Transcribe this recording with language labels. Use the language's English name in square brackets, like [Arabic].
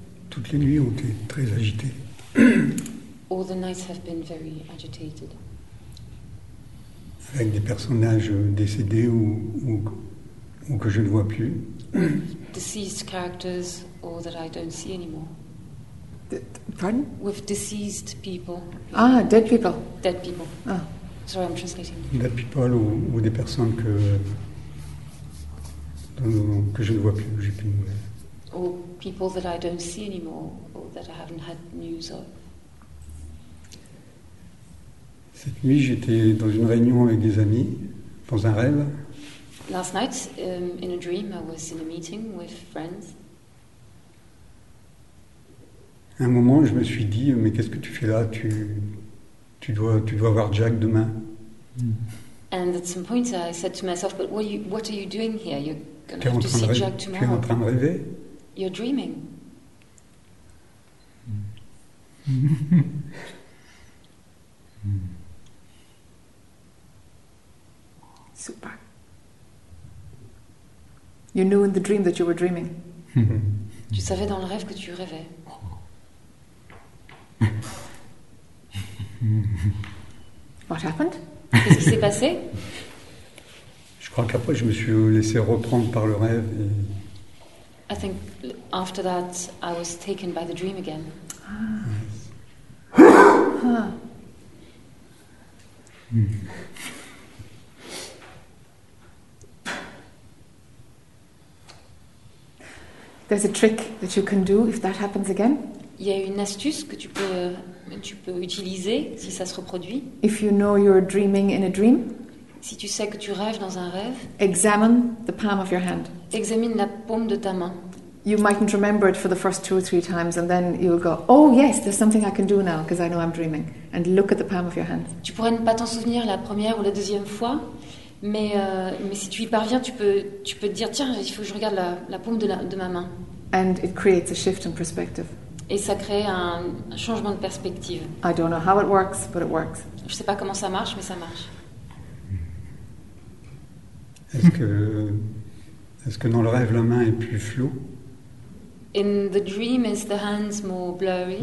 [French] Toutes les nuits ont été très agitées. [English] All the nights have been very agitated. [French] Avec des personnages décédés ou que je ne vois plus. [English] Deceased characters or that I don't see anymore. [French] Pardon? [English] With deceased people. Ah, dead people. Dead people. Ah. Sorry, I'm translating. Dead people [French] ou des personnes que je ne vois plus, j'ai plus de nouvelles. [English] or people that I don't see anymore, or that I haven't had news of. [French] Cette nuit, j'étais dans une réunion avec des amis, dans un rêve. [English] Last night, in a dream, I was in a meeting with friends. [French] À un moment, je me suis dit, mais qu'est-ce que tu fais là? Tu dois voir Jack demain. [English] And at some point, I said to myself, but what are you doing here? You're going to have to see Jack tomorrow. [French] Tu es en train de rêver. [English] You're dreaming. Super. You knew in the dream that you were dreaming. [French] Tu savais dans le rêve que tu rêvais. [English] What happened? [French] Qu'est-ce qui s'est passé? Je crois qu'après je me suis laissé reprendre par le rêve. Et... [English] I think after that I was taken by the dream again. There's a trick that you can do if that happens again. [French] Il y a une astuce que tu peux utiliser si ça se reproduit. [English] If you know you're dreaming in a dream, [French] si tu sais que tu rêves dans un rêve, [English] examine the palm of your hand. [French] Examine la paume de ta main. [English] You mightn't remember it for the first two or three times, and then you'll go, oh yes, there's something I can do now because I know I'm dreaming, and look at the palm of your hand. [French] Tu pourrais ne pas t'en souvenir la première ou la deuxième fois, mais si tu y parviens, tu peux te dire, tiens, il faut que je regarde la paume de ma main. [English] And it creates a shift in perspective. [French] Et ça crée un changement de perspective. [English] I don't know how it works, but it works. [French] Je ne sais pas comment ça marche, mais ça marche. Est-ce que dans le rêve, la main est plus floue? [English] In the dream, is the hands more blurry?